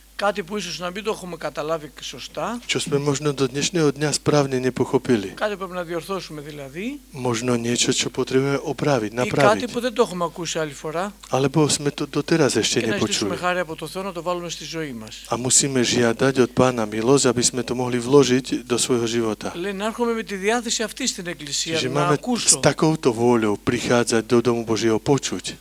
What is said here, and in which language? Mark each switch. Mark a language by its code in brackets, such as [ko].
[el] Κάτι που ίσως να μην το έχουμε καταλάβει σωστά. [sk] Čo sme možno do dnešného dňa správne nepochopili. [el] Κάτι πρέπει να διορθώσουμε δηλαδή. [sk] Možno niečo, čo potrebujeme opraviť, napraviť. [el] Κάτι που δεν το έχουμε ακούσει άλλη φορά. [sk] Alebo sme to doteraz ešte nepočuli. [el] Ζητήσουμε χάρη από το Θεό να το βάλουμε στη ζωή μας. [sk] A musíme žiadať od Pána milosť, aby sme to mohli vložiť do svojho života. [el] Λέει, να έρχομαι με τη διάθεση αυτή στην εκκλησία, να ακούσω. [sk] S takouto vôľou prichádzať do domu Božieho počuť.